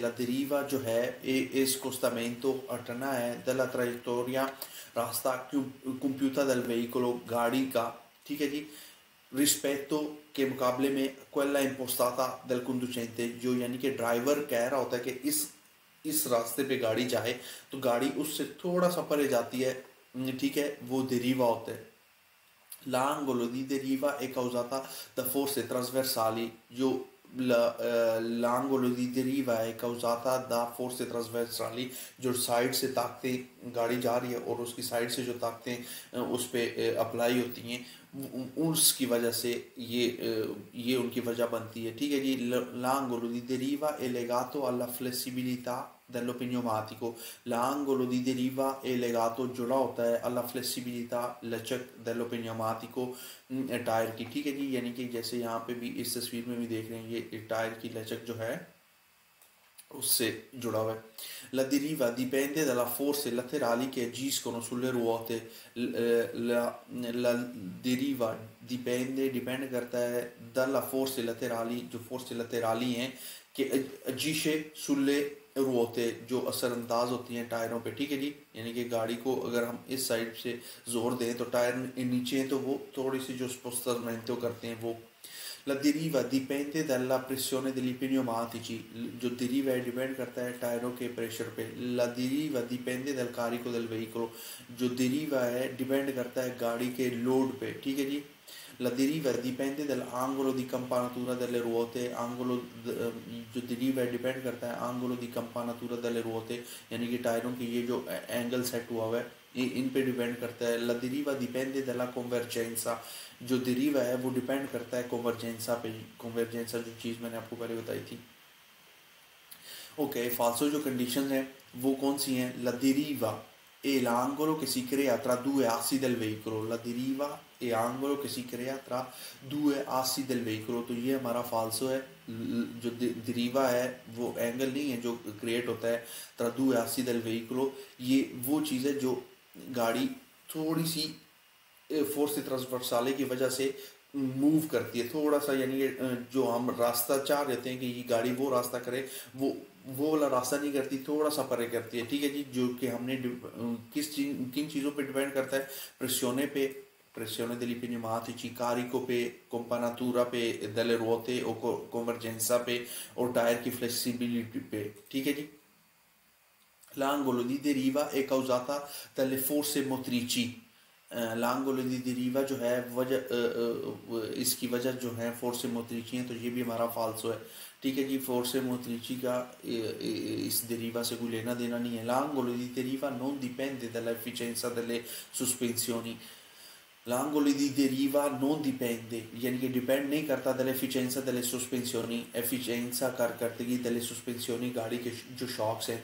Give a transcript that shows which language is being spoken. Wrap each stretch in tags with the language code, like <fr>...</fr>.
<it>La deriva, cioè, e scostamento alternare della traiettoria rasta compiuta dal veicolo gari ga, rispetto che mukable me quella impostata dal conducente,</it> <hi>जो यानी कि driver कह रहा होता है कि इस रास्ते पे गाड़ी जाए तो गाड़ी उससे थोड़ा सा परे जाती है, ठीक है, वो डेरिवा होता है।</hi> <it>L'angolo di deriva è causata da forze trasversali. L'angolo di deriva è causata da forze trasversali.</it> <hi>जो साइड से ताकते गाड़ी जा रही है और उसकी साइड से जो ताकते उस पे अप्लाई होती हैं उसकी वजह से ये उनकी वजह बनती है, ठीक है जी।</hi> <it>L'angolo di deriva è legato alla flessibilità dello pneumatico. L'angolo di deriva è legato, giù là, alla flessibilità dello pneumatico tire</it> <hi>की, ठीक है जी। यानी कि जैसे यहाँ पे भी इस तस्वीर में भी देख रहे हैं, ये टायर की लचक जो है उससे जुड़ा हुआ है।</hi> <it>La deriva dipende dalla forze laterali che agiscono sulle ruote. La deriva dipende</it> <hi>करता है</hi> <it>dalla forze laterali,</it> <hi>जो</hi> <it>forze laterali</it> <hi>हैं</hi> <it>che agisce sulle</it> <hi>रोते, जो असर अंदाज होती हैं टायरों पे, ठीक है जी। यानी कि गाड़ी को अगर हम इस साइड से जोर दें तो टायर नीचे हैं तो वो थोड़ी सी जो स्पोस्टमेंटो करते हैं वो।</hi> <it>La deriva dipende dalla pressione degli pneumatici,</it> <hi>जो deriva है डिपेंड करता है टायरों के प्रेशर पे।</hi> <it>La deriva dipende dal carico del veicolo,</it> <hi>जो deriva है डिपेंड करता है गाड़ी के लोड पे, ठीक है जी।</hi> <it>La deriva dipende dall'angolo di campanatura delle ruote,</it> <hi>जो</hi> <it>deriva dipende</it> <hi>करता है</hi> <it>angolo di campanatura delle ruote,</it> <hi>यानी कि टायरों के ये जो एंगल सेट हुआ है इन पे डिपेंड करता है।</hi> <it>La deriva dipende dalla convergenza,</it> <hi>जो deriva है वो डिपेंड करता है कन्वर्जेंसा पे, कन्वर्जेंसा जो चीज़ मैंने आपको पहले बताई थी। ओके, फालसो जो कंडीशन है वो कौन सी है?</hi> <it>La deriva e l'angolo che si crea tra due assi del veicolo. La deriva e l'angolo che si crea tra due assi del veicolo.</it> <hi>तो ये हमारा फालसो है, जो deriva है वो एंगल नहीं है जो क्रिएट होता है</hi> <it>tra due assi del veicolo,</it> <hi>ये वो चीज़ है जो गाड़ी थोड़ी सी फोर्स ट्रांसवर्सले की वजह से मूव करती है थोड़ा सा, यानी कि जो हम रास्ता चाह रहते हैं कि ये गाड़ी वो रास्ता करे वो वाला रास्ता नहीं करती, थोड़ा सा परे करती है, ठीक है जी। जो कि हमने किन चीज़ों पे डिपेंड करता है? प्रेशोने पे, प्रेशोने दिली पे निमाती ची, कारिको पे, कंपनातूरा पे, दले रोते और कन्वर्जेंसा पे और टायर की फ्लेक्सीबिलिटी पे, ठीक है जी।</hi> <it>L'angolo di deriva è causata dalle forze motrici. L'angolo di deriva</it> <hi>जो है इसकी वजह जो है फोर्से मोतरिची है, तो ये भी हमारा फालसो है, ठीक है जी। फोर्से मोतरिची का इस डेरीवा से कोई लेना देना नहीं है।</hi> <it>L'angolo di deriva non dipende dall'efficienza delle sospensioni. L'angolo di deriva non dipende,</it> <hi>यानी कि डिपेंड नहीं करता</hi> <it>dall'efficienza delle sospensioni,</it> <hi>efficienza कारकर्दगी</hi> <it>delle sospensioni,</it> <hi>गाड़ी के जो शॉक्स हैं।</hi>